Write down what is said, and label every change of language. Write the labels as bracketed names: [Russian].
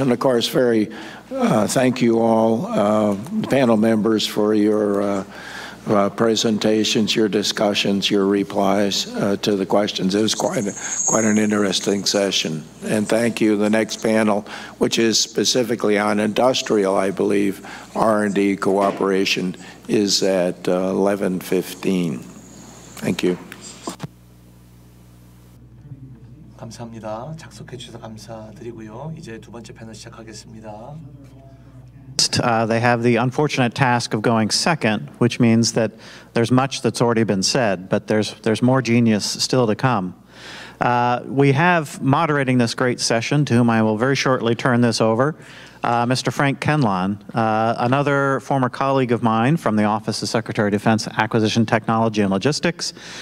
[English] And of course, very thank you all, panel members, for your presentations, your discussions, your replies to the questions. It was quite an interesting session. And thank you. The next panel, which is specifically on industrial, I believe, R&D cooperation, is at 11:15. Thank you. [Korean] 감사합니다. 착석해 주셔서 감사드리고요. 이제 두 번째 패널 시작하겠습니다. [English] They have the unfortunate task of going second, which means that there's much that's already been said, but there's more genius still to come. We have moderating this great session, to whom I will very shortly turn this over, Mr. Frank Kenlon, another former colleague of mine from the Office of Secretary of Defense Acquisition Technology and Logistics.